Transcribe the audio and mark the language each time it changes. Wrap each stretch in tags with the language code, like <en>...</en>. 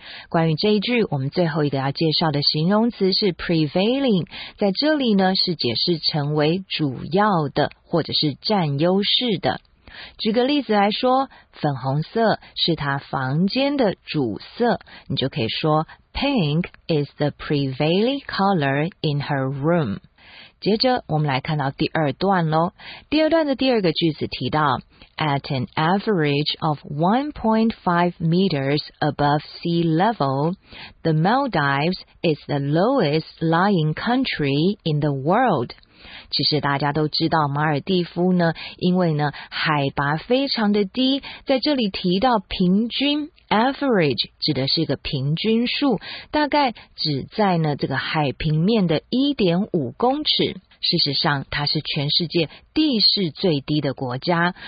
<zh>关于这一句，我们最后一个要介绍的形容词是 prevailing， 在这里呢是解释成为主要的或者是占优势的。举个例子来说，粉红色是他房间的主色，你就可以说</zh> <en>Pink is the prevailing color in her room。</en> <zh>接着我们来看到第二段咯。第二段的第二个句子提到</zh> <en>At an average of 1.5 meters above sea level, the Maldives is the lowest lying country in the world.</en> <zh>其实大家都知道马尔蒂夫呢，因为呢海拔非常的低，在这里提到平均Average 指的是一个平均数，大概只在呢这个海平面的 1.5 公尺。事实上，它是全世界地势最低的国家。</zh>